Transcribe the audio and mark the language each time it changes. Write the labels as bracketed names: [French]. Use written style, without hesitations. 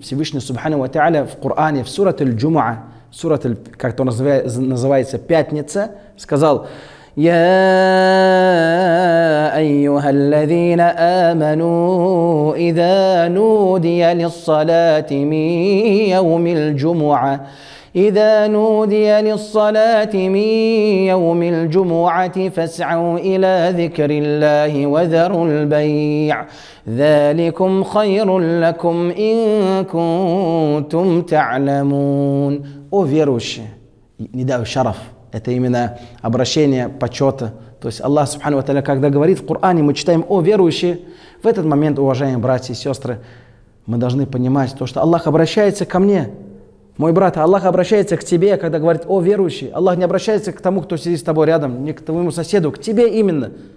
[Russian] Всевышний Субхану ва Тааля в Коране, в сурат аль-джума, сурат, как то называется, пятница, сказал: [Arabic] «Я айюха аллазина аману, иза нудия лиссалати ми яуми аль-джума». إذا نودي للصلاة من يوم الجمعة فاسعوا إلى ذكر الله وذروا البيع ذلكم خير لكم إن كنتم تعلمون. [Russian] О верующие, не дай шараф, это именно обращение почета. То есть Аллах Субхану ва Тааля, когда говорит в Коране, мы читаем: о верующие, в этот момент, уважаемые братья и сестры, мы должны понимать то, что Аллах обращается ко мне. Мой брат, Аллах обращается к тебе, когда говорит: о верующий. Аллах не обращается к тому, кто сидит с тобой рядом, не к твоему соседу, к тебе именно.